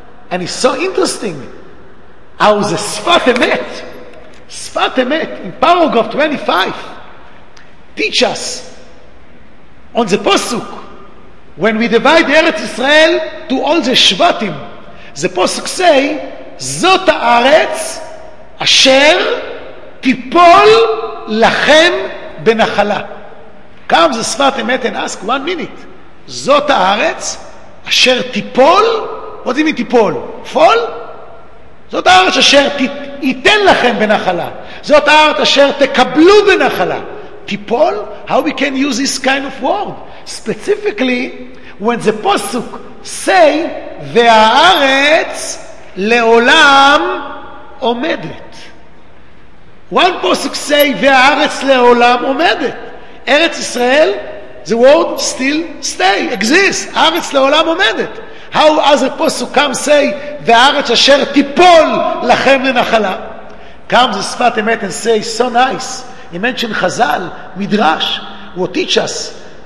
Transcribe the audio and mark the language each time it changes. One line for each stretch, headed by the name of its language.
English: And it's so interesting how the Sfat Emet, Sfat Emet in paragraph 25 teach us on the Posuk, when we divide Eretz Israel to all the Shvatim, the Posuk say,
Hebrew: Zot Haaretz Asher Tipol Lachem Benachala.
English: Come the Sfat Emet and ask 1 minute,
Hebrew: זאת הארץ אשר טיפול,
English: what do you mean טיפול?
Hebrew: פול? זאת הארץ אשר ייתן לכם בנחלה, זאת הארץ אשר תקבלו בנחלה. טיפול?
English: How we can use this kind of word? Specifically, when the פסוק say,
Hebrew: והארץ לעולם עומדת.
English: One פסוק say,
Hebrew: והארץ לעולם עומדת.
English: ארץ ישראל, the word still stay, exists.
Hebrew: Haaretz le'olam omedet.
English: How as a posuk come say,
Hebrew: Haaretz asher tipol lachem lenachala.
English: Come the Sfat Emet and say, so nice. He mentioned Chazal, Midrash, who teach us.